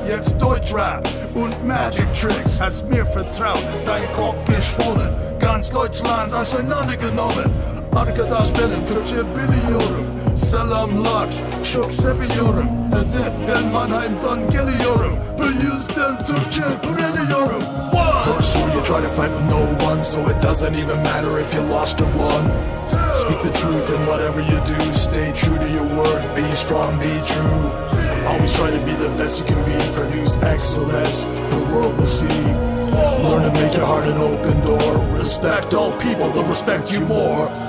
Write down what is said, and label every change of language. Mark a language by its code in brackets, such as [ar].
[de] Jetzt Deutschrap und Magic Tricks. Hast mir vertraut, dein Kopf geschwollen. Ganz Deutschland auseinandergenommen. [tr] Arkadaş benim, Türkçe biliyorum. Selam large, çok seviyorum. Evet, ben Mannheim'dan geliyorum. Bu yüzden Türkçe öğreniyorum. [en] First rule, you try to fight with no one, so it doesn't even matter if you lost or won. Speak the truth in whatever you do, stay true to your word, be strong, be true. Always try to be the best you can be, produce excellence, the world will see. Learn to make your heart an open door, respect all people, they'll respect you more.